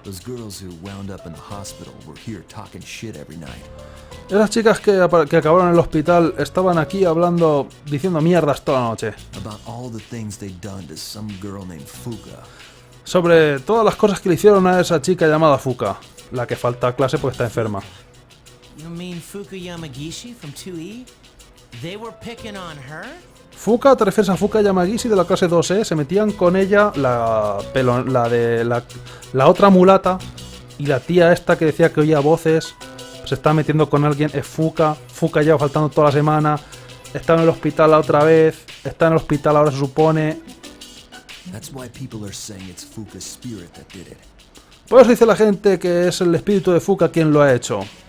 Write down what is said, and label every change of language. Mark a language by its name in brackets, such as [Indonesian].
[English] Those girls who wound up in the hospital were here talking shit every night. [Spanish] Esas chicas que acabaron en el hospital estaban aquí hablando, diciendo mierdas toda la noche. [English] About all the things they'd done to some girl named Fuka. [Spanish] Sobre todas las cosas que le hicieron a esa chica llamada Fuka, la que falta a clase porque está enferma. [English] You mean Fuka Yamagishi from 2E? They were picking on her? [Spanish] Fuka, ¿te refieres a Fuka Yamagishi de la clase 2E? Se metían con ella la de la otra mulata y la tía esta que decía que oía voces. Se está metiendo con alguien, es Fuka. Fuka lleva faltando toda la semana. Está en el hospital la otra vez. Está en el hospital ahora, se supone. [English] That's why people are saying it's Fuka's spirit that did it. [Spanish] Por eso dice la gente que es el espíritu de Fuka quien lo ha hecho.